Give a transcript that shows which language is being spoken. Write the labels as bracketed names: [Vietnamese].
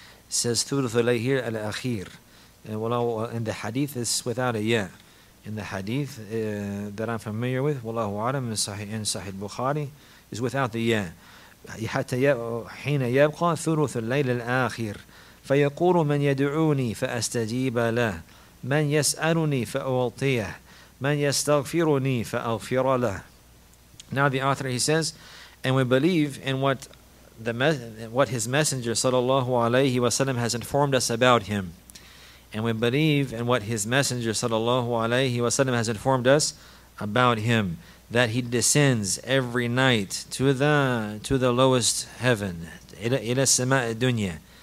[English] Says [Arabic] ثُلُثُ اللَّيْلِ الْآخِرِ. [English] In the hadith, it's without a ya. In the hadith that I'm familiar with, [Arabic] وَاللَّهُ عَلَمْ [English] in Sahih Bukhari, is without the ya. [Arabic] حين يبقى ثلث الليل الآخر فيقول من يدعوني فأستجيب له من يسألني فأعطيه من يستغفرني فأغفر له. [English] Now the author, he says, and we believe in what his messenger sallallahu alayhi wasallam has informed us about him, and we believe in what his messenger sallallahu alayhi wasallam has informed us about him, that he descends every night to the lowest heaven, [Arabic] إلى السماء الدنيا,